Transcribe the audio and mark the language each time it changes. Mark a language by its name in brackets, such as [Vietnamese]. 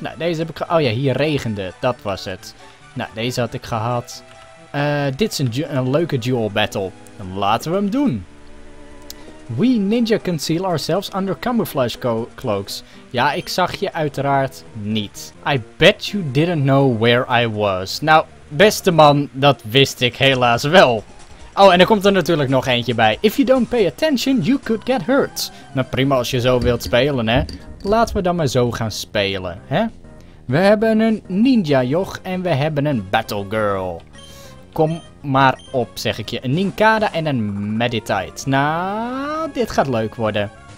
[Dutch] Nou, deze heb ik gehad. Oh ja, hier regende. Dat was het. Nou, deze had ik gehad. Dit is een leuke duel battle. Dan laten we hem doen. [English] We ninja conceal ourselves under camouflage cloaks. [Dutch] Ja, ik zag je uiteraard niet. [English] I bet you didn't know where I was. [Dutch] Nou, beste man, dat wist ik helaas wel. Oh, en er komt er natuurlijk nog eentje bij. [English] If you don't pay attention, you could get hurt. [Dutch] Nou, prima als je zo wilt spelen, hè. Laten we dan maar zo gaan spelen, hè. We hebben een ninja joch en we hebben een battle girl. Kom maar op, zeg ik je. Een Ninkada en een Meditite. Nou, dit gaat leuk worden.